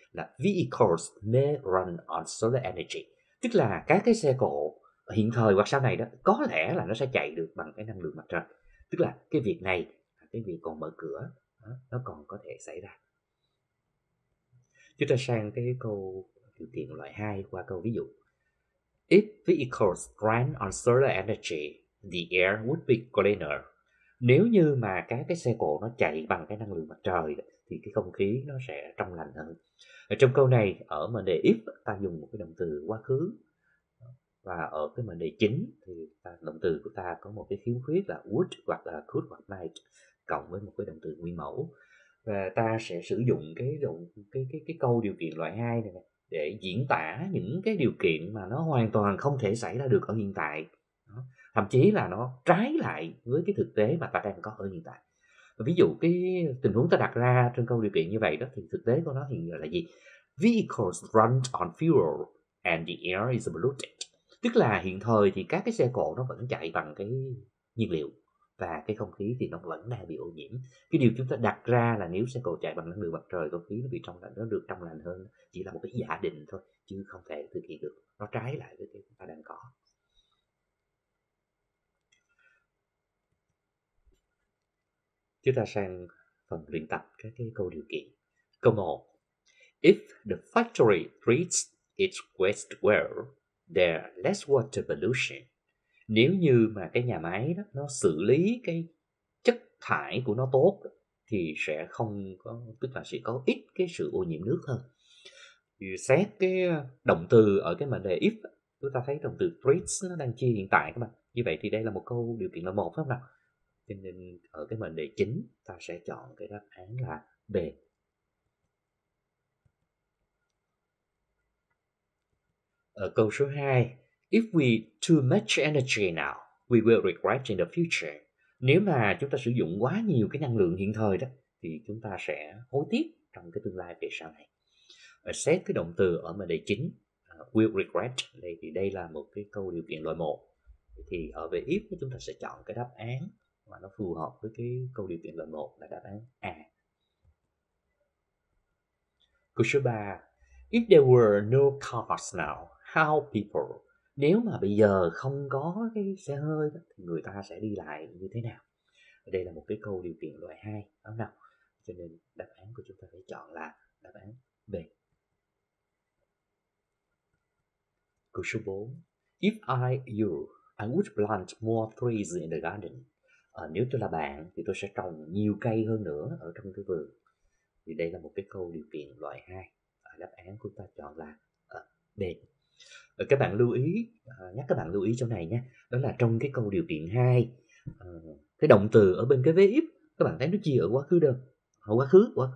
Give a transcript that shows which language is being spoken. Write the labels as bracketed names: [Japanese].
[Vietnamese] Là [English] vehicles may run on solar energy. [Vietnamese] Tức là các cái xe cộ hiện thời hoặc sau này đó có lẽ là nó sẽ chạy được bằng cái năng lượng mặt trời. Tức là cái việc này, cái việc còn mở cửa, nó còn có thể xảy ra. Chúng ta sang cái câu điều kiện loại 2 qua câu ví dụ. [English] If vehicles run on solar energy, the air would be cleaner. [Vietnamese] Nếu như mà các cái xe cộ nó chạy bằng cái năng lượng mặt trời thì cái không khí nó sẽ trong lành hơn. Ở trong câu này, ở mệnh đề if ta dùng một cái động từ quá khứ, và ở cái mệnh đề chính thì động từ của ta có một cái khiếm khuyết là would hoặc là could hoặc might cộng với một cái động từ nguyên mẫu. Và ta sẽ sử dụng cái câu điều kiện loại 2 này để diễn tả những cái điều kiện mà nó hoàn toàn không thể xảy ra được ở hiện tại. Thậm chí là nó trái lại với cái thực tế mà ta đang có ở hiện tại. Ví dụ cái tình huống ta đặt ra trên câu điều kiện như vậy đó, thì thực tế của nó hiện giờ là gì? [English] Vehicles run on fuel and the air is polluted. [Vietnamese] Tức là hiện thời thì các cái xe cộ nó vẫn chạy bằng cái nhiên liệu và cái không khí thì nó vẫn đang bị ô nhiễm. Cái điều chúng ta đặt ra là nếu xe cộ chạy bằng năng lượng mặt trời, không khí nó bị trong lành, nó được trong lành hơn, chỉ là một cái giả định thôi, chứ không thể thực hiện được. Nó trái lại với cái chúng ta đang có. Chúng ta sang phần luyện tập các cái câu điều kiện. Câu 1. [English] If the factory treats its waste well, there less water pollution. [Vietnamese] Nếu như mà cái nhà máy đó, nó xử lý cái chất thải của nó tốt thì sẽ không có, tức là sẽ có ít cái sự ô nhiễm nước hơn. Thì xét cái động từ ở cái mệnh đề if, chúng ta thấy động từ treats nó đang chia hiện tại các bạn. Như vậy thì đây là một câu điều kiện là một, phải không nào? Cho nên ở cái mệnh đề chính ta sẽ chọn cái đáp án là B. Ở câu số 2, [English] if we too much energy now, we will regret in the future. [Vietnamese] Nếu mà chúng ta sử dụng quá nhiều cái năng lượng hiện thời đó, thì chúng ta sẽ hối tiếc trong cái tương lai về sau này. Xét cái động từ ở mệnh đề chính, will regret, đây thì đây là một cái câu điều kiện loại 1. Thì ở về if chúng ta sẽ chọn cái đáp án mà nó phù hợp với cái câu điều kiện loại 1 là đáp án A. Câu số 3. [English] If there were no cars now, how people? [Vietnamese] Nếu mà bây giờ không có cái xe hơi thì người ta sẽ đi lại như thế nào? Đây là một cái câu điều kiện loại 2, đúng không nào? Cho nên đáp án của chúng ta phải chọn là đáp án B. Câu số 4. [English] If I you, I would plant more trees in the garden. [Vietnamese] Nếu tôi là bạn thì tôi sẽ trồng nhiều cây hơn nữa ở trong cái vườn. Thì đây là một cái câu điều kiện loại 2. Đáp án của ta chọn là B. Các bạn lưu ý, nhắc các bạn lưu ý chỗ này nha. Đó là trong cái câu điều kiện 2, cái động từ ở bên cái vế if, các bạn thấy nó chia ở quá khứ đâu. Quá khứ.